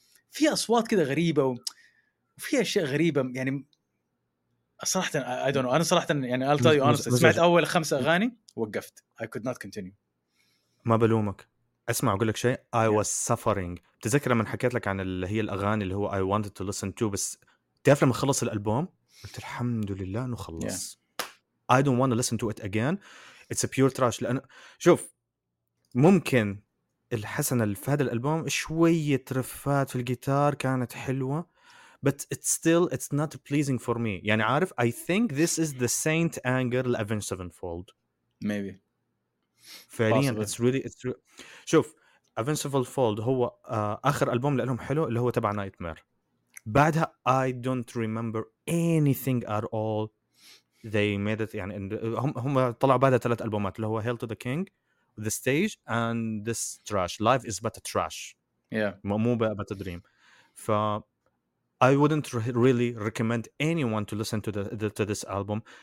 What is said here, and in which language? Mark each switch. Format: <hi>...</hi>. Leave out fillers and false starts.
<ar>في اصوات كده غريبه وفي اشياء غريبه يعني صراحه</ar> <en>I don't know.</en> <ar>انا صراحه يعني</ar> <en>I'll tell you honestly,</en> <ar>سمعت اول 5 اغاني وقفت,</ar> <en>I could not continue.</en> <ar>ما بلومك. اسمع اقول لك شيء,</ar> <en>I was suffering.</en> <ar>تذكر من حكيت لك عن اللي هي الاغاني اللي هو</ar> <en>I wanted to listen to,</en> <ar>بس تعرف لما خلص الالبوم قلت الحمد لله انه خلص.</ar> <en>I don't want to listen to it again, it's a pure trash.</en> <ar>لانه شوف ممكن الحسن اللي في هذا الالبوم شويه رفات في الجيتار كانت حلوه,</ar> <en>but it's still it's not pleasing for me.</en> <ar>يعني عارف</ar> <en>I think this is the Saint Anger of Avenged Sevenfold maybe.</en> <ar>فعليا</ar> <en>it's really</en> <ar>شوف Avenged Sevenfold هو آخر ألبوم لهم حلو اللي هو تبع Nightmare.</ar> <en>بعدها I don't remember anything at all they made it.</en> <ar>يعني هم طلعوا بعدها 3 ألبومات اللي هو Hail to the King, The Stage and This Trash.</ar> <en>Life is but a trash. Yeah.</en> <ar>مو but a dream.</ar> <en>ف I wouldn't really recommend anyone to listen to this album.</en>